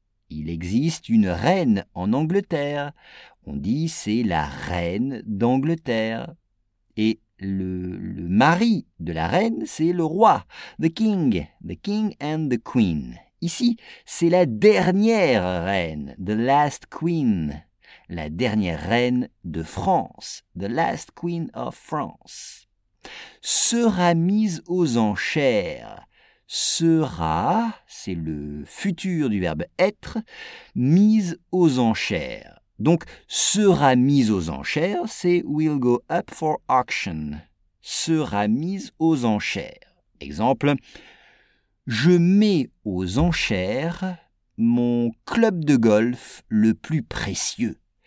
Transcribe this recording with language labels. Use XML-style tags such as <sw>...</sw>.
<fr>Il existe une reine en Angleterre. On dit c'est la reine d'Angleterre. Et le mari de la reine, c'est le roi.</fr> <en>The king and the queen.</en> <fr>Ici, c'est la dernière reine.</fr> <en>The last queen.</en> <fr>La dernière reine de France.</fr> <en>The last queen of France.</en> <fr>Sera mise aux enchères. Sera, c'est le futur du verbe être, mise aux enchères. Donc, sera mise aux enchères, c'est</fr> <en>will go up for auction.</en> <fr>Sera mise aux enchères. Exemple, je mets aux enchères mon club de golf le plus précieux.</fr>